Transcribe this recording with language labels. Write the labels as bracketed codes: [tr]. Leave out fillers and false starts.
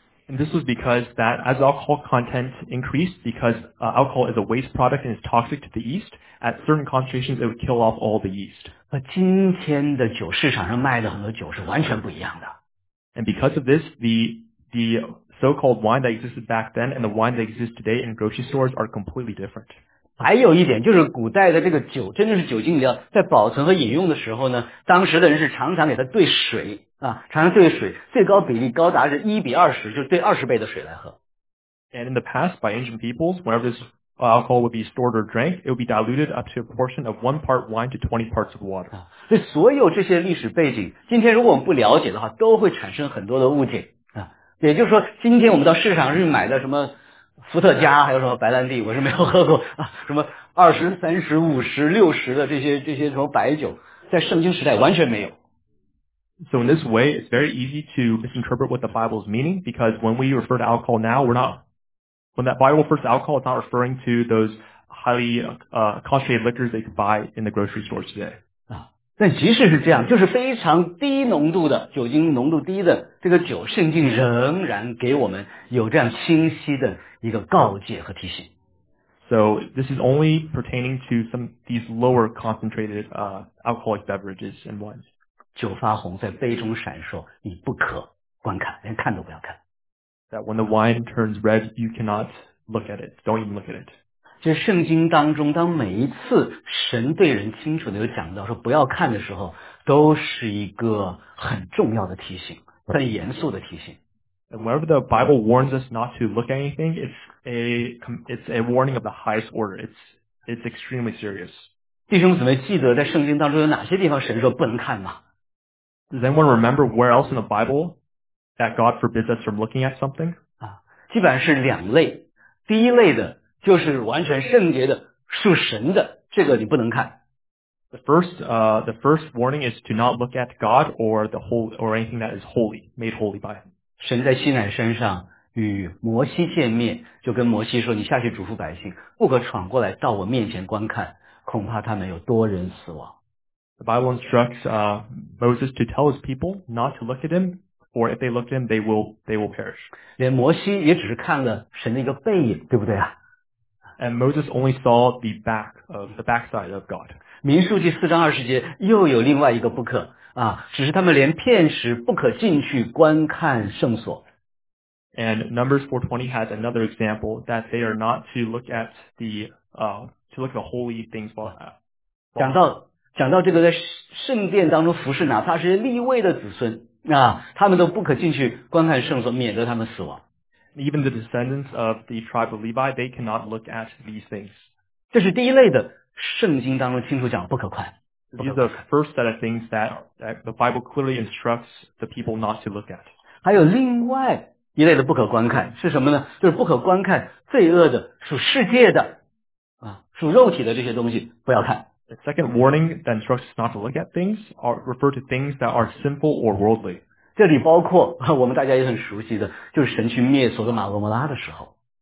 [en] And this was because that as alcohol content increased, because alcohol is a waste product and is toxic to the yeast, at certain concentrations it would kill off all the yeast. [zh] 和今天的酒市场上卖的很多酒是完全不一样的。 [en] And because of this, the so-called wine that existed back then and the wine that exists today in grocery stores are completely different. [zh] 还有一点就是古代的这个酒真的是酒精饮料在保存和饮用的时候呢当时的人是常常给它兑水啊，常常兑水最高比例高达是1:20就是兑20倍的水来喝。 [en] And in the past, by ancient peoples, whenever this alcohol would be stored or drank, it would be diluted up to a portion of 1 part wine to 20 parts of water. [zh] 所以所有这些历史背景今天如果我们不了解的话都会产生很多的误解啊。也就是说今天我们到市场上去买的什么伏特加还有什么白兰地我是没有喝过啊，什么20, 30, 50, 60的这些什么白酒在圣经时代完全没有。 [en] So in this way, it's very easy to misinterpret what the Bible's meaning because when we refer to alcohol now, when that Bible refers to alcohol, it's not referring to those highly concentrated liquors they could buy in the grocery stores today. [zh] 啊，但即使是这样，就是非常低浓度的酒精浓度低的这个酒圣经仍然给我们有这样清晰的一个告诫和提醒。 [en] So this is only pertaining to some these lower concentrated alcoholic beverages and wines. [zh] 酒发红在杯中闪烁，你不可观看，连看都不要看。 [en] That when the wine turns red, you cannot look at it. Don't even look at it. [zh] 就圣经当中，当每一次神对人清楚的有讲到说不要看的时候，都是一个很重要的提醒，很严肃的提醒。 [en] And whenever the Bible warns us not to look at anything, it's a warning of the highest order. It's extremely serious. [zh] 弟兄姊妹，记得在圣经当中有哪些地方神说不能看吗？ [en] Does anyone remember where else in the Bible that God forbids us from looking at something? [zh] 啊，基本上是两类。第一类的就是完全圣洁的、属神的这个你不能看。 [en] The first warning is to not look at God or the holy or anything that is holy, made holy by Him. [zh] 神在西乃山上与摩西见面，就跟摩西说：“你下去嘱咐百姓，不可闯过来到我面前观看，恐怕他们有多人死亡。” [en] The Bible instructs Moses to tell his people not to look at him, or if they look at him, they will perish. [zh] 连摩西也只是看了神的一个背影，对不对啊？ [en] And Moses only saw the backside of God. [zh] 民数记四章二十节又有另外一个不可啊，只是他们连片时不可进去观看圣所。 [en] And Numbers 4:20 has another example that they are not to look at the holy things while that. [zh] 讲到这个在圣殿当中服侍，哪怕是立位的子孙啊，他们都不可进去观看圣所，免得他们死亡。 [en] Even the descendants of the tribe of Levi, they cannot look at these things. [zh] 这是第一类的，圣经当中清楚讲不可看。 [en] These are the first set of things that the Bible clearly instructs the people not to look at. [zh] 还有另外一类的不可观看是什么呢？就是不可观看罪恶的、属世界的、属肉体的这些东西，不要看。 [en] The second warning that instructs us not to look at things are refer to things that are sinful or worldly. [zh] 这里包括我们大家也很熟悉的，就是神去灭索多玛俄摩拉的时候。